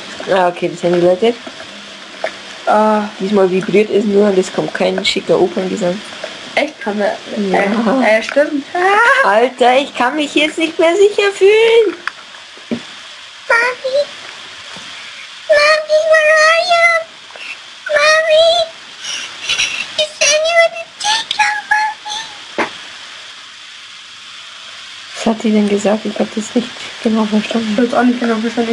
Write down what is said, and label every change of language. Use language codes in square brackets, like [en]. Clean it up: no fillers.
[de] Ah, okay, das Handy läutet. Ah. Diesmal vibriert es nur und es kommt kein schicker Operngesang. Echt? Kann man. Stimmt. Ah. Alter, ich kann mich jetzt nicht mehr sicher fühlen. [en] Mami, [de] wo [en] are you? Mommy, is anyone in danger, Mommy? [de] Was hat die denn gesagt? Ich hab das nicht genau verstanden. Ich hab's auch nicht genau verstanden.